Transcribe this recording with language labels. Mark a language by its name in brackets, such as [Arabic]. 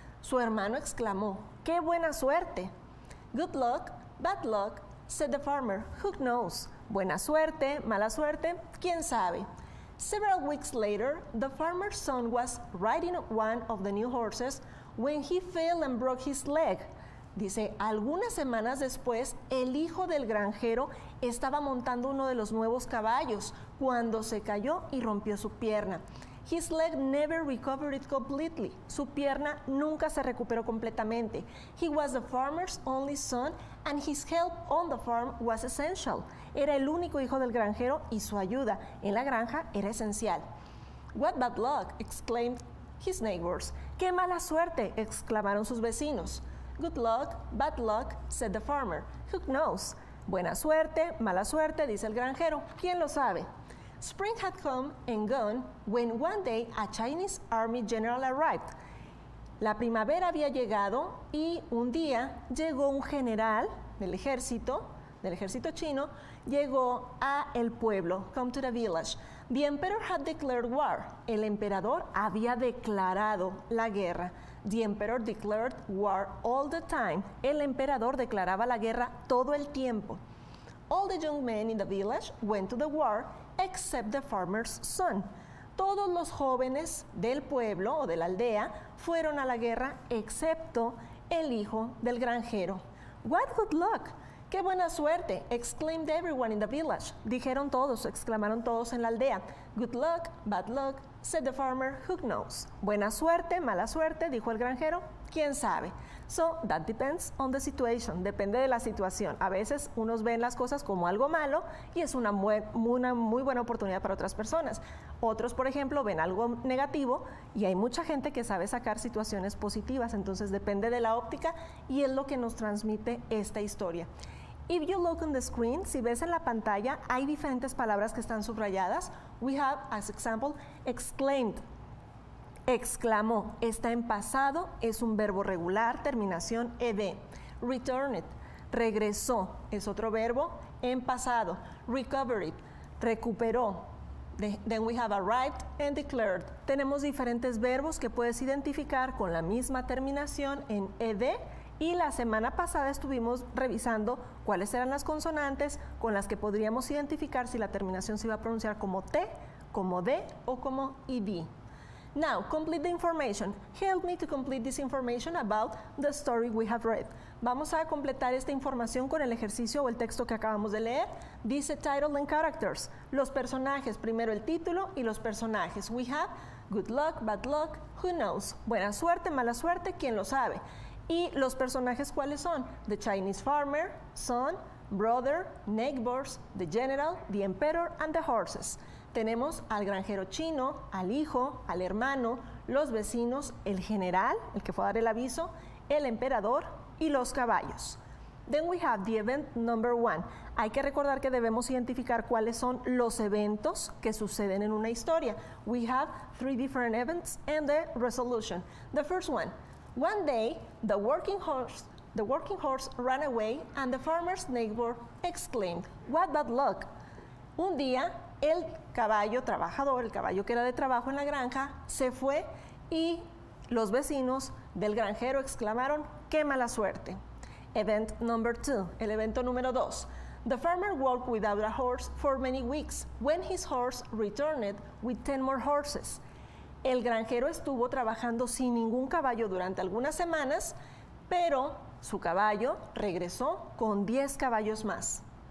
[Spanish] Su hermano exclamó, ¡qué buena suerte! [English] Good luck, bad luck, said the farmer, who knows? [Spanish] Buena suerte, mala suerte, quién sabe. [English] Several weeks later, the farmer's son was riding one of the new horses when he fell and broke his leg. [Spanish] Dice, algunas semanas después, el hijo del granjero estaba montando uno de los nuevos caballos cuando se cayó y rompió su pierna. [English] His leg never recovered completely. [Spanish] Su pierna nunca se recuperó completamente. [English] He was the farmer's only son, and his help on the farm was essential. [Spanish] Era el único hijo del granjero y su ayuda en la granja era esencial. [English] What bad luck, exclaimed his neighbors. [Spanish] Qué mala suerte, exclamaron sus vecinos. [English] Good luck, bad luck, said the farmer. Who knows? [Spanish] Buena suerte, mala suerte, dice el granjero. ¿Quién lo sabe? [English] Spring had come and gone when one day a Chinese army general arrived. [Spanish] La primavera había llegado y un día llegó un general del ejército chino, llegó a el pueblo, [English] come to the village. The emperor had declared war. [Spanish] El emperador había declarado la guerra. [English] The emperor declared war all the time. [Spanish] El emperador declaraba la guerra todo el tiempo. [English] All the young men in the village went to the war, except the farmer's son. [Spanish] Todos los jóvenes del pueblo o de la aldea fueron a la guerra, excepto el hijo del granjero. [English] What good luck! [Spanish] ¡Qué buena suerte! [English] Exclaimed everyone in the village. [Spanish] Dijeron todos, exclamaron todos en la aldea. [English] Good luck, bad luck, said the farmer, who knows? [Spanish] Buena suerte, mala suerte, dijo el granjero, ¿quién sabe? [English] So, that depends on the situation. [Spanish] Depende de la situación. A veces, unos ven las cosas como algo malo y es una muy buena oportunidad para otras personas. Otros, por ejemplo, ven algo negativo y hay mucha gente que sabe sacar situaciones positivas. Entonces, depende de la óptica y es lo que nos transmite esta historia. [English] If you look on the screen, [Spanish] si ves en la pantalla, hay diferentes palabras que están subrayadas. [English] We have, as example, [Spanish] exclaimed. Exclamó, está en pasado, es un verbo regular, terminación ed. Returned, regresó, es otro verbo en pasado. [English] Recovered, recuperó. Then we have arrived and declared. [Spanish] Tenemos diferentes verbos que puedes identificar con la misma terminación en ed. Y la semana pasada estuvimos revisando cuáles eran las consonantes con las que podríamos identificar si la terminación se iba a pronunciar como T, como D o como ED. [English] Now, complete the information. Help me to complete this information about the story we have read. [Spanish] Vamos a completar esta información con el ejercicio o el texto que acabamos de leer. Dice [English] title and characters. [Spanish] Los personajes, primero el título y los personajes. [English] We have good luck, bad luck, who knows? [Spanish] Buena suerte, mala suerte, ¿quién lo sabe? ¿Y los personajes cuáles son? [English] The Chinese Farmer, Son, Brother, Neighbors, The General, The Emperor and the Horses. [Spanish] Tenemos al granjero chino, al hijo, al hermano, los vecinos, el general, el que fue a dar el aviso, el emperador y los caballos. [English] Then we have the event number one. [Spanish] Hay que recordar que debemos identificar cuáles son los eventos que suceden en una historia. [English] We have three different events and the resolution. The first one. One day, the working horse ran away and the farmer's neighbor exclaimed, "What bad luck!" [Spanish] Un día, el caballo trabajador, el caballo que era de trabajo en la granja, se fue y los vecinos del granjero exclamaron, "¡Qué mala suerte!" [English] Event number two, [Spanish] el evento número dos. [English] The farmer walked without a horse for many weeks when his horse returned with 10 more horses. [Spanish] El granjero estuvo trabajando sin ningún caballo durante algunas semanas, pero su caballo regresó con 10 caballos más.